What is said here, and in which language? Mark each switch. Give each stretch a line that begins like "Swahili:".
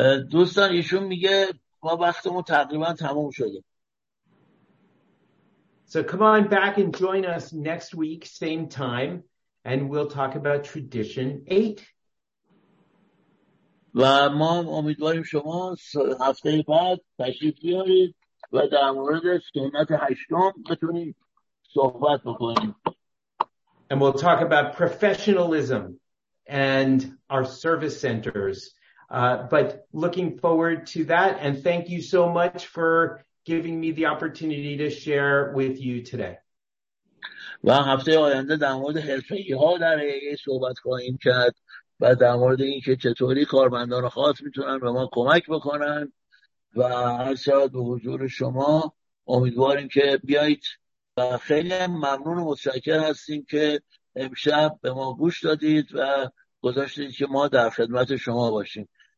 Persian: دوستان ایشون میگه ما وقتمون تقریبا تموم شده.
English: So come on back and join us next week, same time, and we'll talk about tradition 8.
Persian: و ما امیدواریم شما هفته بعد تشریف بیارید و در مورد سنت هشتم بتونیم صحبت بکنیم.
English: And we'll talk about professionalism and our service centers. But looking forward to that. And thank you so much for giving me the opportunity to share with you today.
Persian: و هفته آینده در مورد حرفه‌ای‌ها در AA صحبت خواهیم کرد و در مورد این که چطوری کارمندان خاص میتونن به ما کمک بکنن و هر ساعت به حضور شما امیدواریم که بیایید و خیلی ممنون و متشکر هستیم که امشب به ما گوش دادید و گذاشتید که ما در خدمت شما باشیم.